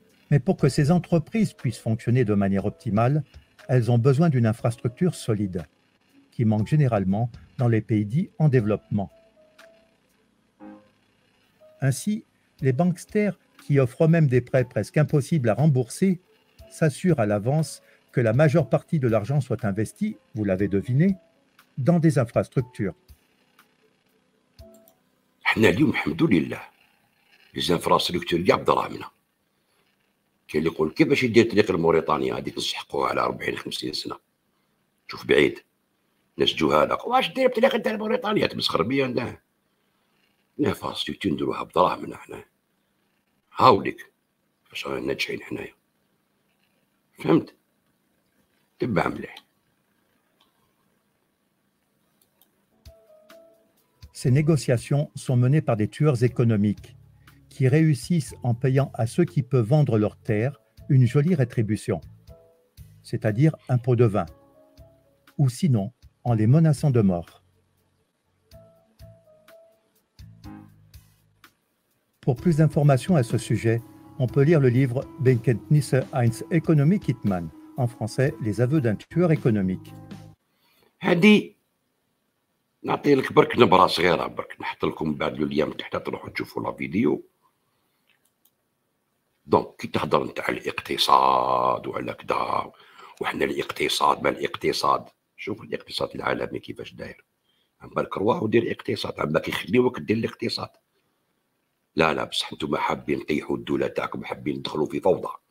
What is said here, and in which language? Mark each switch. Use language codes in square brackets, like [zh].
[fr] Mais pour que ces entreprises puissent fonctionner de manière optimale, elles ont besoin d'une infrastructure solide, qui manque généralement dans les pays dits en développement. Ainsi, les banksters qui offrent eux-mêmes des prêts presque impossibles à rembourser s'assurent à l'avance que la majeure partie de l'argent soit investi, vous l'avez deviné, dans des infrastructures. [ar] حنا اليوم الحمد لله les infrastructures جاب درامنا. كاين اللي يقول كيفاش يدير طريق الموريتانيا هذيك نسحقوها على 40 50 سنه. شوف بعيد. ناس جهاله واش دير بطريق تاع الموريتانيا تمسخر بيا انا. نفاس تي تندروها بدراهمنا حنا هاوليك باش رانا ناجحين حنايا فهمت تبع مليح. [fr] Ces négociations sont menées par des tueurs économiques qui réussissent en payant à ceux qui peuvent vendre leurs terres une jolie rétribution, c'est-à-dire un pot de vin, ou sinon en les menaçant de mort. Pour plus d'informations à ce sujet, on peut lire le livre « Benkenntnisse eines Ökonomiehitmann » en français « Les aveux d'un tueur économique ». [ar] نعطيلك برك نبره صغيره برك نحط لكم بعد اليوم تحت تروحوا تشوفوا لا فيديو دونك كي تهضر نتاع الاقتصاد وعلى كذا وحنا الاقتصاد ما الاقتصاد شوف الاقتصاد العالمي كيفاش داير عمرك رواح ودير اقتصاد عمرك يخليوك دير الاقتصاد لا لا بصح نتوما حابين تطيحوا الدوله تاعكم حابين تدخلوا في فوضى